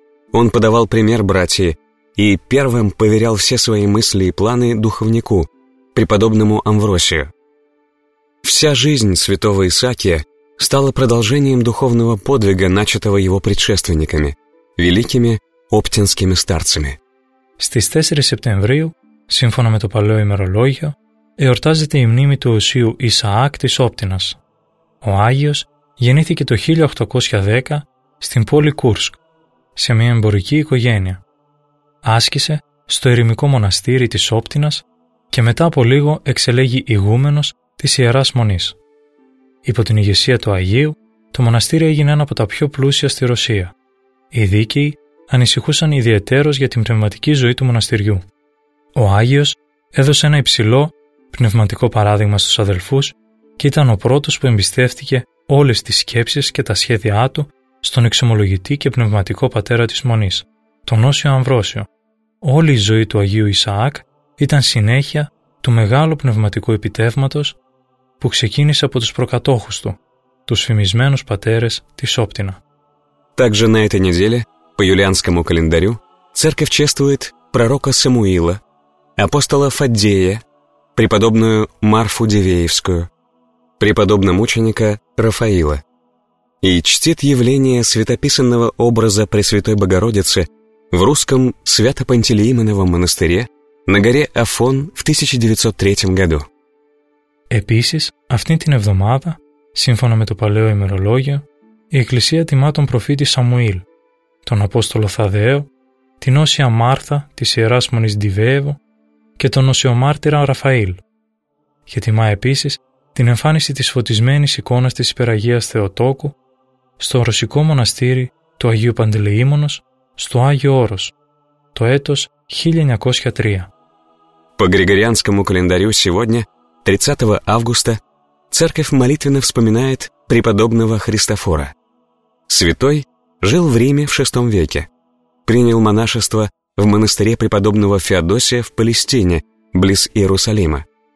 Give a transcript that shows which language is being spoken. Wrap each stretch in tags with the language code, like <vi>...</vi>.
<ru>Он подавал пример братьям и первым поверял все свои мысли и планы духовнику, преподобному Амвросию. Вся жизнь святого Исаакия стала продолжением духовного подвига, начатого его предшественниками, великими оптинскими старцами.</ru> <el>Στις 4 Σεπτεμβρίου, σύμφωνα με το παλαιό ημερολόγιο, εορτάζεται η μνήμη του Οσίου Ισαάκ της Όπτινας. Ο Άγιος γεννήθηκε το 1810 στην πόλη Κούρσκ, σε μια εμπορική οικογένεια. Άσκησε στο ερημικό μοναστήρι της Όπτινας και μετά από λίγο εξελέγει ηγούμενος της Ιεράς Μονής. Υπό την ηγεσία του Αγίου, το μοναστήρι έγινε ένα από τα πιο πλούσια στη Ρωσία. Οι δίκαιοι ανησυχούσαν ιδιαιτέρως για την πνευματική ζωή του μοναστηριού. Ο Άγιος έδωσε ένα υψηλό πνευματικό παράδειγμα στους αδελφούς και ήταν ο πρώτος που εμπιστεύτηκε όλες τις σκέψεις και τα σχέδιά του στον εξομολογητή και πνευματικό πατέρα της Μονής, τον Όσιο Αμβρόσιο. Όλη η ζωή του Αγίου Ισαάκ ήταν συνέχεια του μεγάλου πνευματικού επιτεύγματος που ξεκίνησε από τους προκατόχους του, τους φημισμένους πατέρες της Όπτινα.</el> <ru>Также на этой неделе, по юлианскому календарю, церковь чествует пророка Самуила, апостола Фаддея, преподобную Марфу Дивеевскую, преподобно-мученика Рафаила, и чтит явление святописанного образа Пресвятой Богородицы в русском Свято-Пантелеимоновом монастыре на горе Афон в 1903 году.</ru> <el>Επίσης, αυτή την εβδομάδα, σύμφωνα με το παλαιό ημερολόγιο, η Εκκλησία τιμά τον προφήτη Σαμουήλ, τον Απόστολο Θαδαίο, την Όσια Μάρθα της Ιεράς Μονής Ντιβέεβο και τον Οσιομάρτυρα Ραφαήλ. Και τιμά επίσης την εμφάνιση της φωτισμένης εικόνας της Υπεραγίας Θεοτόκου στο ρωσικό μοναστήρι του Αγίου Παντελεήμονος στο Άγιο Όρος, το έτος 1903.</el> <ru>По Григорианскому календарю сегодня, 30 августа, церковь молитвенно вспоминает преподобного Христофора. Святой жил в Риме в VI веке. Принял монашество в монастыре преподобного Феодосия в Палестине, близ Иерусалима.</ru>